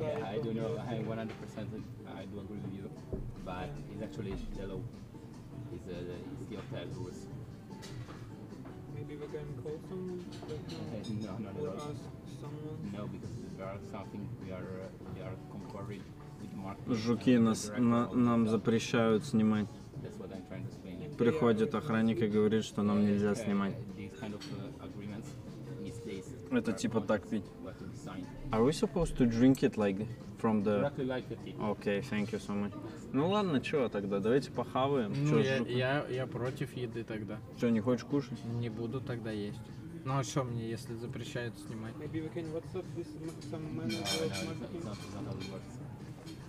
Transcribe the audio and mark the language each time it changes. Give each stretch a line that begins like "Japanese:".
English: Yeah, I do know, I 100% I do agree with you, but it's actually yellow. Is the hotel rules. Maybe we can call someone? No, not at all. Ask someone? No, because there are something we are concurring with marketing.
Russian: Жуки нам запрещают снимать.
English: That's what I'm trying to explain.
Russian: Приходит охранник и говорит, что нам нельзя снимать.
English: These kind of agreements is this.
Russian: Это типа так пить.
English: Are we supposed to drink it like from the... Exactly like the tea. Okay, thank you so much.
Russian: Ну ладно, чё тогда, давайте похаваем. Ну, чё, я против еды тогда. Чё, не хочешь кушать? Не буду тогда есть. Ну а чё мне, если запрещают снимать?
English: Maybe we can WhatsApp this some manager of marketing.